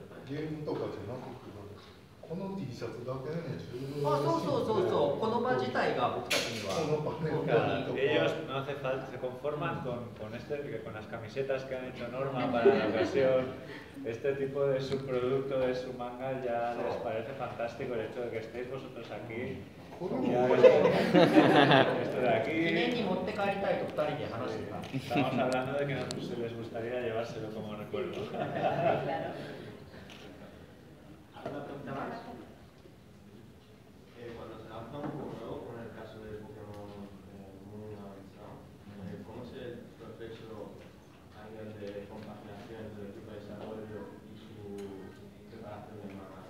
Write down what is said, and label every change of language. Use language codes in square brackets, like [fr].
[ja] この T シャツだけでね、そうそう、この場自体が僕たちには。この場ね、 [es] ellos no hace falta, se conforman con este, con las camisetas que han hecho Norma para la ocasión. Este tipo de subproducto de su manga ya les parece fantástico el hecho de que estéis vosotros aquí. ¿Cómo que esto de aquí? [ja] 記念に持って帰りたいと2人で話してた。 [es] Estamos hablando de que no se les gustaría llevárselo como recuerdo. Cuando se lanza un juego nuevo, con el caso de Pokémon Moon avanzado, ¿cómo es el proceso a nivel de compaginación entre el equipo de desarrollo y su preparación de manga?